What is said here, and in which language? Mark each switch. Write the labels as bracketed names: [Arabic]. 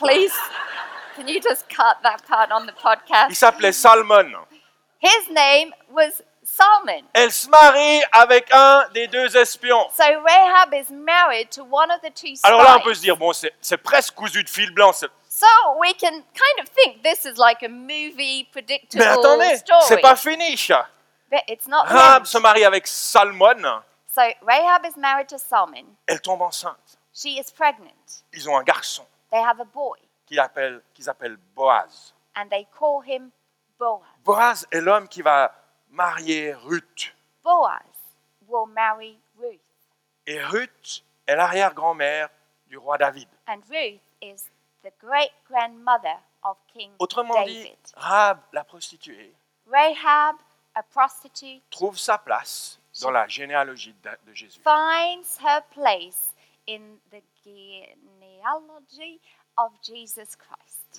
[English] Please, can you just cut that part on the podcast? [French] Il s'appelait Salmon. [English] His name was Salmon. [French] Elle se marie avec un des deux espions. [English] So Rahab is married to one of the two spies. [French] Alors là, on peut se dire, bon, c'est presque cousu de fil blanc. C'est... [English] So we can kind of think this is like a movie predictable story. [French] Mais attendez, [English] story. [French] C'est pas fini. [English] But it's not [French] Rahab se marie avec Salmon. [English] So Rahab is married to Salmon. [French] Elle tombe enceinte. [English] She is pregnant. [French] Ils ont un garçon. [English] They have a boy. [French] Qu'ils appellent Boaz. [English] And they call him Boaz. [French] Boaz est l'homme qui va marier Ruth. [English] Boaz will marry Ruth. [French] Et Ruth est l'arrière-grand-mère du roi David. [English] And Ruth is the great-grandmother of King [French] Autrement [English] David. [French] Autrement dit, Rahab, la prostituée, [English] Rahab, a prostitute, [French] trouve sa place dans la généalogie de Jésus. [English] Finds her place in the genealogy of Jesus Christ.